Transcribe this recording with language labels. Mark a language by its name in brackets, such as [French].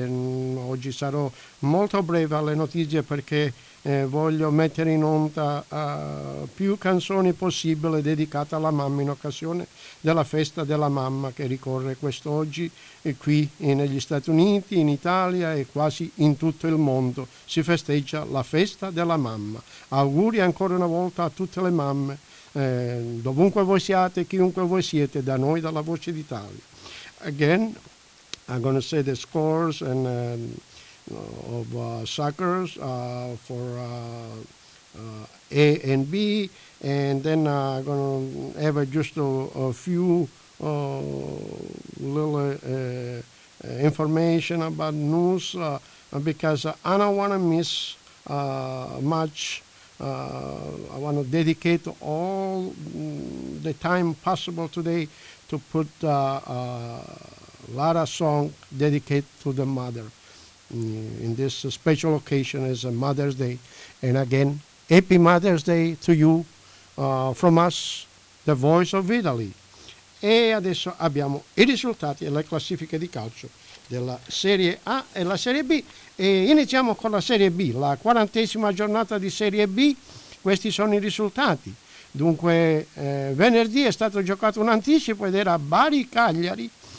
[Italian] Oggi sarò molto breve alle notizie perché voglio mettere in onda più canzoni possibile dedicate alla mamma in occasione della festa della mamma che ricorre quest'oggi qui negli Stati Uniti, in Italia e quasi in tutto il mondo. Si festeggia la festa della mamma. Auguri ancora una volta a tutte le mamme, dovunque voi siate, chiunque voi siete, da noi, dalla Voce d'Italia. [English] Again, I'm going to say the scores and of soccer for A and B, and then I'm going to have just a few little information about news because I don't want to miss much. I want to dedicate all the time possible today to put Lara song dedicated to the mother in this special occasion as a Mother's Day. And again, happy Mother's Day to you from us, the Voice of Italy. [Italian] E adesso abbiamo i risultati e le classifiche di calcio della Serie A e la Serie B. E iniziamo con la Serie B, la 40ª giornata di Serie B. Questi sono i risultati. Dunque, venerdì è stato giocato un anticipo ed era Bari-Cagliari.